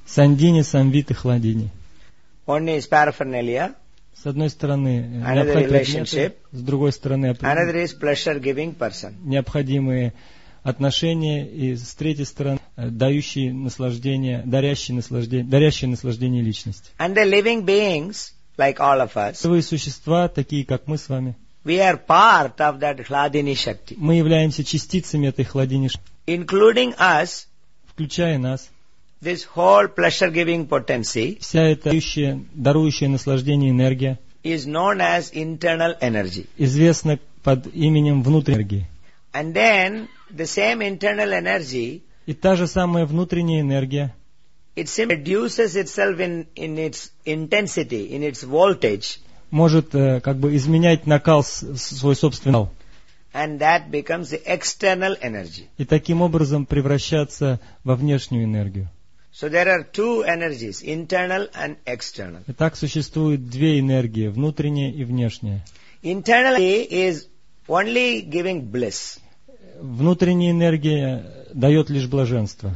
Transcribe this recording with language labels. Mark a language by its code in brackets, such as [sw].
[ru] Сандини, Самвит и Хладини. [en] One is paraphernalia. [ru] С одной стороны, [en] another relationship. [ru] Предметы, с другой стороны, [en] another is pleasure-giving person. [ru] Необходимые отношения и с третьей стороны, дающие наслаждение, дарящие наслаждение личность. [en] And the living beings, like all of us. [ru] Живые существа, такие как мы с вами. [en] We are part of that Hladini Shakti. [ru] Мы являемся частицами этой Хладини Шакти. [en] Including us. [ru] Включая нас. [en] This whole pleasure-giving potency. [ru] Вся эта дарующая наслаждение энергия. [en] Is known as internal energy. [ru] Известна под именем внутренней энергии. [en] And then the same internal energy. [ru] И та же самая внутренняя энергия. [en] It simply reduces itself in its intensity, in its voltage. [ru] Может как бы изменять накал свой собственный. [en] and that becomes the external energy. [ru] И таким образом превращаться во внешнюю энергию. [en] So there are two energies, internal and external. [ru] Итак, существует две энергии, внутренняя и внешняя. [en] Internal is only giving bliss. [ru] Внутренняя энергия дает лишь блаженство.